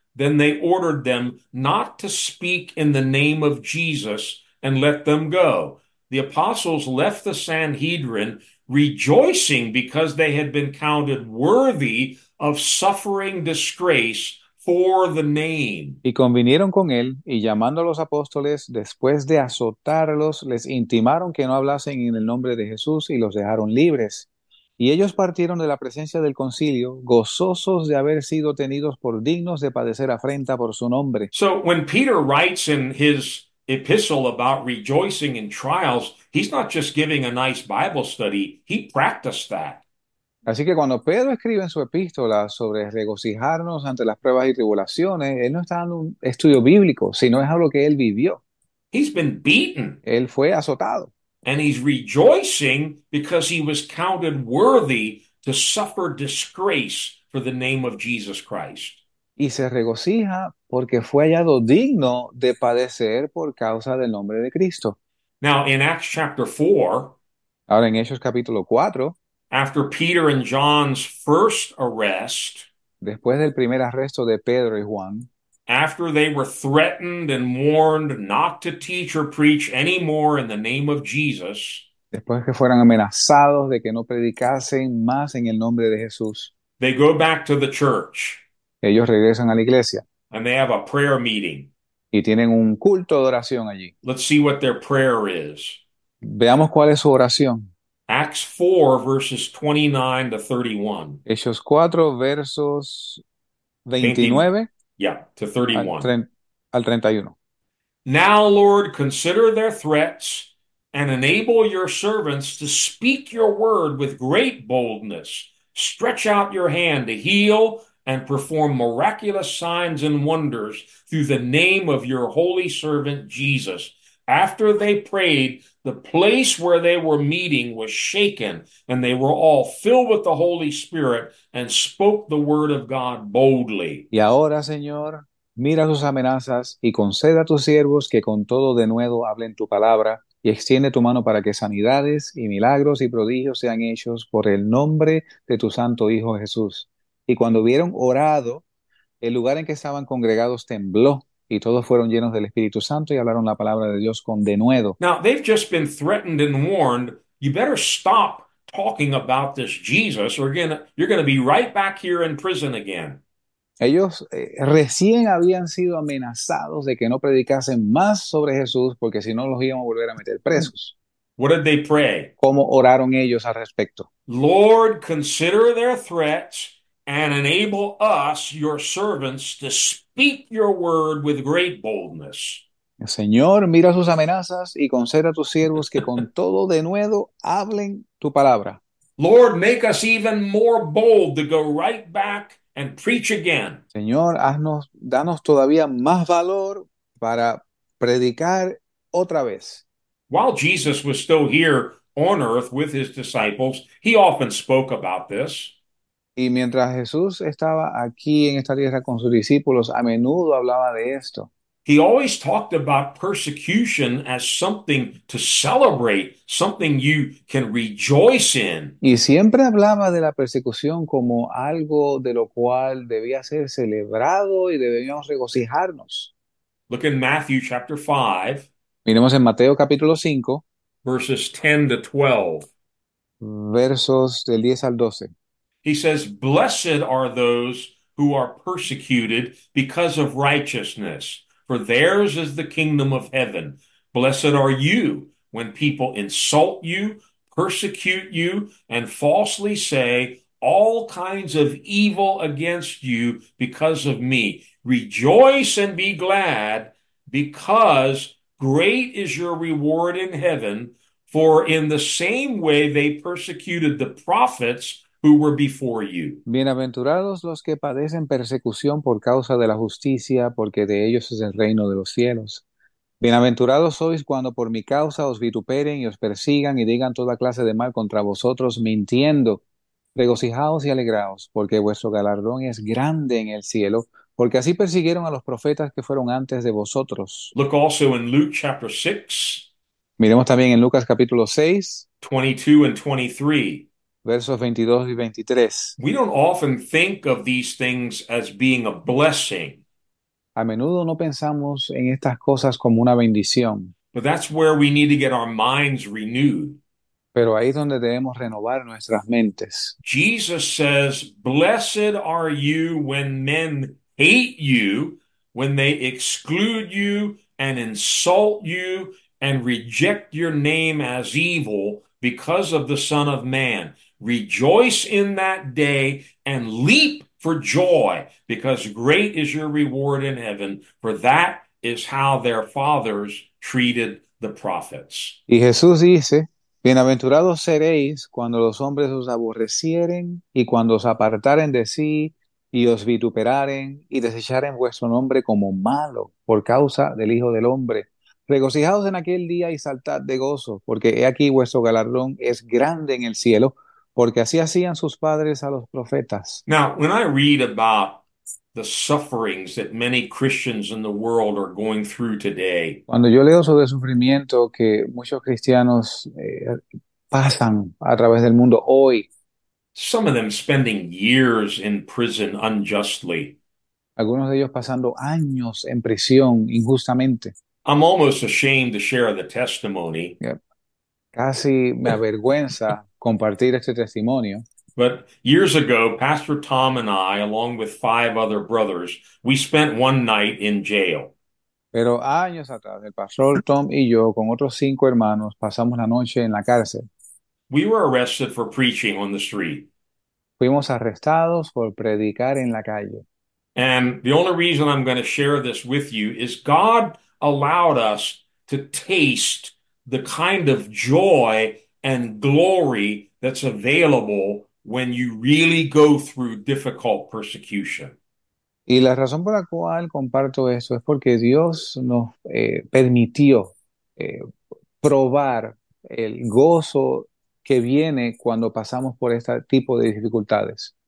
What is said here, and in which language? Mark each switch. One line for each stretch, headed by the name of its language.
English: Then they ordered them not to speak in the name of Jesus and let them go. The apostles left the Sanhedrin rejoicing because they had been counted worthy of suffering disgrace for the name.
Spanish: Y convinieron con él, y llamando a los apóstoles, después de azotarlos, les intimaron que no hablasen en el nombre de Jesús y los dejaron libres. Y ellos partieron de la presencia del concilio, gozosos de haber sido tenidos por dignos de padecer afrenta por su nombre.
English: So when Peter writes in his epistle about rejoicing in trials, he's not just giving a nice Bible study, he practiced that.
Spanish: Así que cuando Pedro escribe en su epístola sobre regocijarnos ante las pruebas y tribulaciones, él no está dando un estudio bíblico, sino es algo que él vivió.
English: He's been beaten
Spanish: Él fue azotado.
English: and he's rejoicing because he was counted worthy to suffer disgrace for the name of Jesus Christ.
Spanish: Y se regocija porque fue hallado digno de padecer por causa del nombre de Cristo.
English: Now, in Acts chapter 4,
Spanish: Ahora en Hechos capítulo 4.
English: after Peter and John's first arrest,
Spanish: Después del primer arresto de Pedro y Juan,
English: after they were threatened and warned not to teach or preach anymore in the name of Jesus,
Spanish: después que fueran amenazados de que no predicasen más en el nombre de Jesús,
English: they go back to the church
Spanish: ellos regresan a la iglesia
English: and they have a prayer meeting.
Spanish: y tienen un culto de oración allí.
English: Let's see what their prayer is.
Spanish: Veamos cuál es su oración.
English: Acts 4, verses 29 to 31.
Spanish: Hechos 4, versos 20, 29
English: yeah, to 31.
Spanish: al 31.
English: Now, Lord, consider their threats and enable your servants to speak your word with great boldness. Stretch out your hand to heal and perform miraculous signs and wonders through the name of your holy servant Jesus. After they prayed, the place where they were meeting was shaken, and they were all filled with the Holy Spirit and spoke the word of God boldly.
Spanish: Y ahora, Señor, mira sus amenazas y conceda a tus siervos que con todo denuedo hablen tu palabra y extiende tu mano para que sanidades y milagros y prodigios sean hechos por el nombre de tu santo Hijo Jesús. Y cuando hubieron orado, el lugar en que estaban congregados tembló y todos fueron llenos del Espíritu Santo y hablaron la palabra de Dios con denuedo.
English: Now, they've just been threatened and warned. You better stop talking about this Jesus, or you're going to be right back here in prison again.
Spanish: Ellos recién habían sido amenazados de que no predicasen más sobre Jesús porque si no los íbamos a volver a meter presos.
English: What did they pray?
Spanish: ¿Cómo oraron ellos al respecto?
English: Lord, consider their threats and enable us, your servants, to speak your word with great boldness.
Spanish: Señor, mira sus amenazas y conceda a tus siervos que con todo denuedo hablen tu palabra.
English: Lord, make us even more bold to go right back and preach again.
Spanish: Señor, haznos, danos todavía más valor para predicar otra vez.
English: While Jesus was still here on earth with his disciples, he often spoke about this.
Spanish: Y mientras Jesús estaba aquí en esta tierra con sus discípulos, a menudo hablaba de esto.
English: He always talked about persecution as something to celebrate, something you can rejoice in.
Spanish: Y siempre hablaba de la persecución como algo de lo cual debía ser celebrado y debíamos regocijarnos.
English: Look in Matthew chapter 5.
Spanish: Miremos en Mateo capítulo 5,
English: Verses 10 to 12.
Spanish: versos del 10 al 12.
English: He says, Blessed are those who are persecuted because of righteousness, for theirs is the kingdom of heaven. Blessed are you when people insult you, persecute you, and falsely say all kinds of evil against you because of me. Rejoice and be glad because great is your reward in heaven, for in the same way they persecuted the prophets who were before you.
Spanish: Bienaventurados los que padecen persecución por causa de la justicia, porque de ellos es el reino de los cielos. Bienaventurados sois cuando por mi causa os vituperen y os persigan y digan toda clase de mal contra vosotros, mintiendo. Regocijaos y alegraos, porque vuestro galardón es grande en el cielo, porque así persiguieron a los profetas que fueron antes de vosotros.
English: Look also in Luke chapter 6,
Spanish: Miremos también en Lucas capítulo 6,
English: 22 and 23.
Spanish: versos 22 y 23.
English: We don't often think of these things as being a blessing.
Spanish: A menudo no pensamos en estas cosas como una bendición,
English: But that's where we need to get our minds renewed.
Spanish: pero ahí es donde debemos renovar nuestras mentes.
English: Jesus says, Blessed are you when men hate you. When they exclude you and insult you and reject your name as evil because of the Son of Man, rejoice in that day and leap for joy because great is your reward in heaven, for that is how their fathers treated the prophets.
Spanish: Y Jesús dice, bienaventurados seréis cuando los hombres os aborrecieren y cuando os apartaren de sí y os vituperaren y desecharen vuestro nombre como malo por causa del Hijo del Hombre. Regocijaos en aquel día y saltad de gozo, porque he aquí vuestro galardón es grande en el cielo, porque así hacían sus padres a los profetas.
English: Now, when I read about the sufferings that many Christians in the world are going through today,
Spanish: Cuando yo leo sobre el sufrimiento que muchos cristianos pasan a través del mundo hoy,
English: some of them spending years in prison unjustly,
Spanish: algunos de ellos pasando años en prisión injustamente,
English: I'm almost ashamed to share the testimony.
Spanish: casi me avergüenza compartir este testimonio.
English: But years ago, Pastor Tom and I, along with five other brothers, we spent one night in jail.
Spanish: Pero años atrás, el pastor Tom y yo, con otros cinco hermanos, pasamos la noche en la cárcel.
English: We were arrested for preaching on the street.
Spanish: Fuimos arrestados por predicar en la calle.
English: And the only reason I'm going to share this with you is God allowed us to taste the kind of joy and glory that's available when you really go through difficult persecution.
Spanish: Y la razón por la cual comparto eso es porque Dios nos permitió probar el gozo que viene cuando pasamos por este tipo de dificultades.